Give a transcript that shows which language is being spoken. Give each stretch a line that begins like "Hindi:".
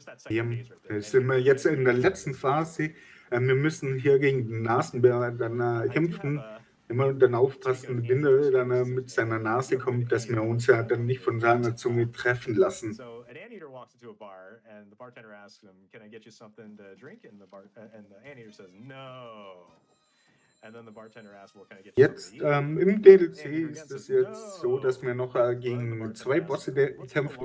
German: Ja, sind wir jetzt in der letzten Phase. Wir müssen hier gegen den Nasenbär dann kämpfen. Immer dann aufpassen, wenn er dann mit seiner Nase kommt, dass wir uns ja dann nicht von seiner Zunge treffen lassen.
English: Into a bar, and the bartender asks him, "Can I get you something to drink?" And the bar and the anteater says, "No." And then the bartender asks, "Well, can I get you?"
German: Jetzt im DLC ist es jetzt so, dass wir noch gegen zwei Bosse kämpfen.